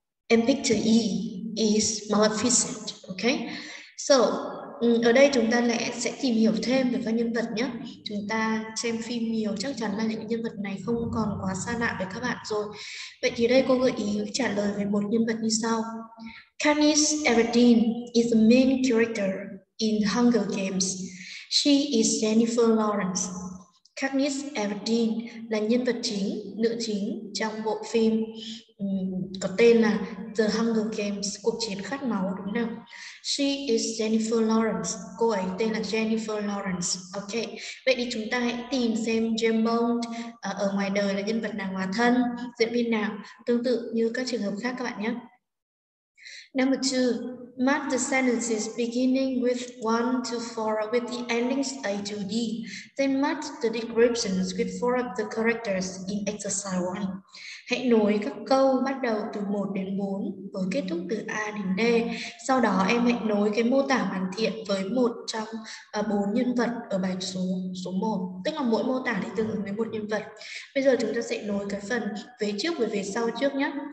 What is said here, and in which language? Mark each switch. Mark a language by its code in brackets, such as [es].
[en] And picture E is Maleficent. [vi] Ok, so ở đây chúng ta sẽ tìm hiểu thêm về các nhân vật nhé. Chúng ta xem phim nhiều chắc chắn là những nhân vật này không còn quá xa lạ với các bạn rồi. Vậy thì đây cô gợi ý trả lời về một nhân vật như sau. [en] Katniss Everdeen is the main character in Hunger Games. She is Jennifer Lawrence. [vi] Katniss Everdeen là nhân vật chính, nữ chính trong bộ phim có tên là The Hunger Games, cuộc chiến khát máu, đúng không? [en] She is Jennifer Lawrence. [vi] Cô ấy tên là Jennifer Lawrence. Ok, vậy thì chúng ta hãy tìm xem Jim Bond ở ngoài đời là nhân vật nào hóa thân, diễn viên nào, tương tự như các trường hợp khác các bạn nhé. [en] Number 2, mark the sentences beginning with 1 to 4 with the endings A to D. Then mark the descriptions with 4 of the characters in exercise 1. [vi] Hãy nối các câu bắt đầu từ 1 đến 4 với kết thúc từ A đến D. Sau đó em hãy nối cái mô tả hoàn thiện với một trong 4 nhân vật ở bài số 1. Tức là mỗi mô tả thì tương ứng với một nhân vật. Bây giờ chúng ta sẽ nối cái phần về trước với về sau trước nhé.